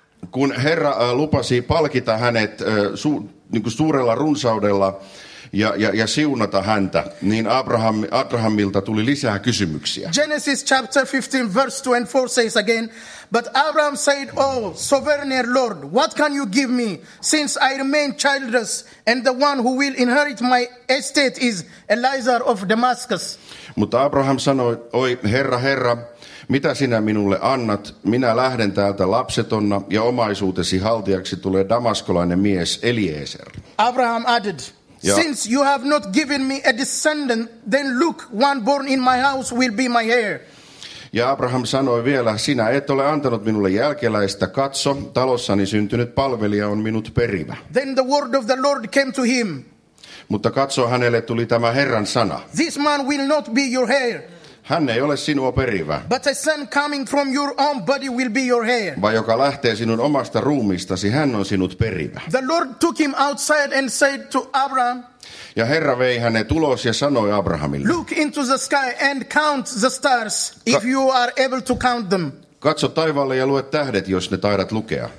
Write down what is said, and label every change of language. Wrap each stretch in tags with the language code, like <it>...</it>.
<fi>Kun Herra lupasi palkita hänet suurella runsaudella ja siunata häntä, niin Abrahamilta tuli lisää kysymyksiä.</fi> <en>Genesis chapter 15 verse 2 and 4 says again, but Abraham said, oh, sovereign Lord, what can you give me, since I remain childless, and the one who will inherit my estate is Eliezer of Damascus.</en> <fi>Mutta Abraham sanoi, oi Herra, mitä sinä minulle annat? Minä lähden täältä lapsetonna, ja omaisuutesi haltijaksi tulee damaskolainen mies Eliezer.</fi> <en>Abraham added, Since you have not given me a descendant, then look, one born in my house will be my heir.</en> <fi>Ja Abraham sanoi vielä, sinä et ole antanut minulle jälkeläistä, katso, talossani syntynyt palvelija on minut perivä.</fi> <en>Then the word of the Lord came to him.</en> <fi>Mutta katso, hänelle tuli tämä Herran sana.</fi> <en>This man will not be your heir.</en> <fi>Hän ei ole sinua perivä.</fi> <en>But a son coming from your own body will be your heir.</en> <fi>Vai joka lähtee sinun omasta ruumistasi, hän on sinut perivä.</fi> <en>The Lord took him outside and said to Abraham.</en> <fi>Ja Herra vei hänet ulos ja sanoi Abrahamille.</fi> <en>Look into the sky and count the stars if you are able to count them.</en> <fi>Katso taivaalle ja lue tähdet, jos ne taidat lukea.</fi>